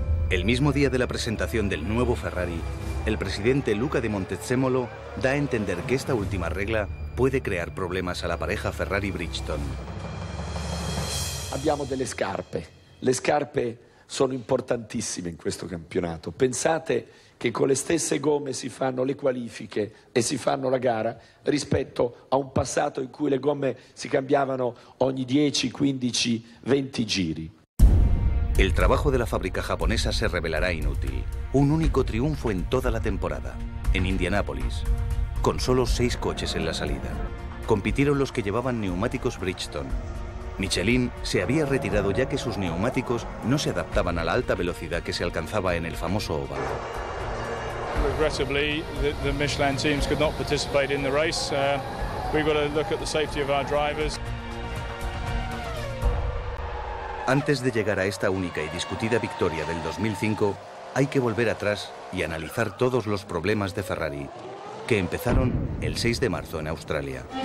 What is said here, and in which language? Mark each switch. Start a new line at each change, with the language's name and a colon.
Spanish: El mismo día de la presentación del nuevo Ferrari, el presidente Luca de Montezemolo da a entender que esta última regla puede crear problemas a la pareja Ferrari-Bridgestone.
Italian: Abbiamo delle scarpe. Le scarpe sono importantissime in questo campionato. Pensate che con le stesse gomme si fanno le qualifiche e si fanno la gara rispetto a un passato in cui le gomme si cambiavano ogni 10, 15, 20 giri.
Spanish: El trabajo de la fábrica japonesa se revelará inútil. Un único triunfo en toda la temporada, en Indianápolis, con solo 6 coches en la salida. Compitieron los que llevaban neumáticos Bridgestone. Michelin se había retirado ya que sus neumáticos no se adaptaban a la alta velocidad que se alcanzaba en el famoso óvalo.
English: Regrettably, the Michelin teams could not participate in the race. We've got to look at the safety of our drivers.
Spanish: Antes de llegar a esta única y discutida victoria del 2005, hay que volver atrás y analizar todos los problemas de Ferrari, que empezaron el 6 de marzo en Australia.